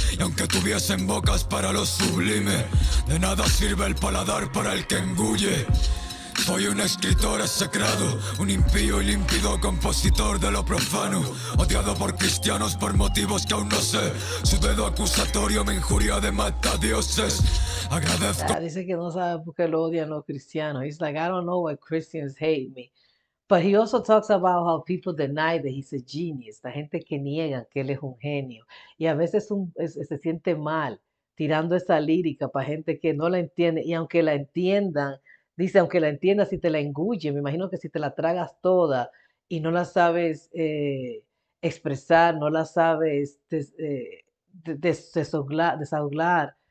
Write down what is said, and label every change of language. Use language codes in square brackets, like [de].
[es] Y aunque tuviesen bocas para lo sublime, de nada sirve el paladar para el que engulle. Soy un escritor execrado, un impío y límpido compositor de lo profano, odiado por cristianos por motivos que aún no sé. Su dedo acusatorio me injuria de matadioses. Agradezco. Dice que no sabe por qué lo odian los cristianos. [en] He's like, I don't know why Christians hate me. But he also talks about how people deny that he's a genius. [es] La gente que niega que él es un genio. Y a veces se siente mal tirando esa lírica para gente que no la entiende. Y aunque la entiendan, dice, aunque la entiendas, si te la engulle, me imagino que si te la tragas toda y no la sabes expresar, no la sabes desahogar.